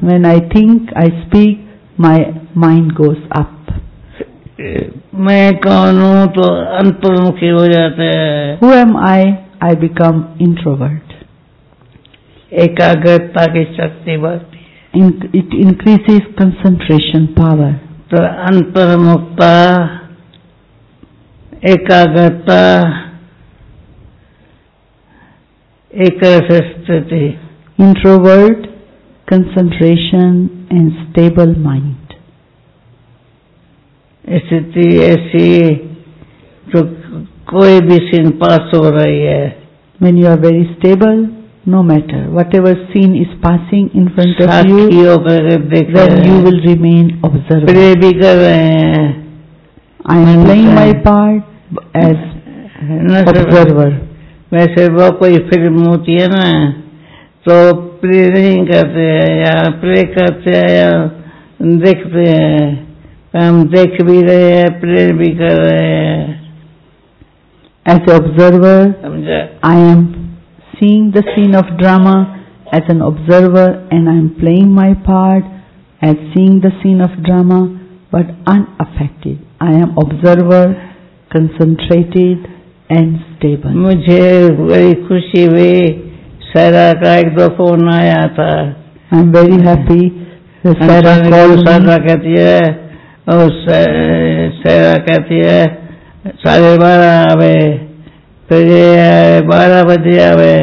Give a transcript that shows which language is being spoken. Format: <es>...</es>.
<en>When I think, I speak, my mind goes up.</en> <hi>मैं कौन हूँ तो अंतर्मुखी हो जाते हैं.</hi> <en>Who am I? I become introvert.</en> <hi>एकाग्रता की शक्ति बढ़ती है.</hi> <en>It increases concentration power.</en> <hi>तो अंतर्मुखता एकाग्रता एक स्थिति.</hi> <en>Introvert, concentration and stable mind.</en> <hi>स्थिति ऐसी जो कोई भी सीन पास हो रही है.</hi> <en>When you are very stable, no matter whatever scene is passing in front of you, then you will remain observant.</en> <hi>Pray भी कर रहे हैं.</hi> <en>I am playing my part as observer.</en> <hi>वैसे वो कोई फिल्म होती है ना तो प्रे नहीं करते हैं या प्रे करते हैं या देखते हैं. हम देख भी रहे हैं, प्रे भी कर रहे हैं.</hi> <en>As an observer, I am seeing the scene of drama as an observer and I am playing my part as seeing the scene of drama but unaffected. I am observer, concentrated and stable.</en> <hi>मुझे बड़ी खुशी हुई, सारा का एक दो phone आया था.</hi> <en>I am very happy.</en> <hi>सारा कहती है, सारा कहती है, साढ़े बारह आवे, फिर बारह बजे आवे.</hi>